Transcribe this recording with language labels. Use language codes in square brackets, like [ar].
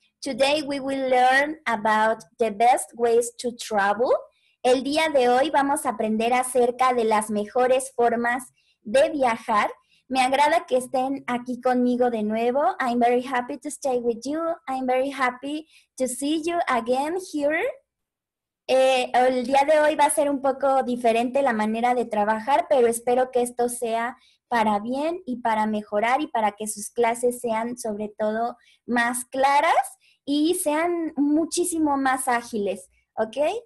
[en] Today we will learn about the best ways to travel. [es] El día de hoy vamos a aprender acerca de las mejores formas de viajar. Me agrada que estén aquí conmigo de nuevo. [en] I'm very happy to stay with you. I'm very happy to see you again here. [es] El día de hoy va a ser un poco diferente la manera de trabajar, pero espero que esto sea para bien y para mejorar y para que sus clases sean sobre todo más claras y sean muchísimo más ágiles, ¿ok?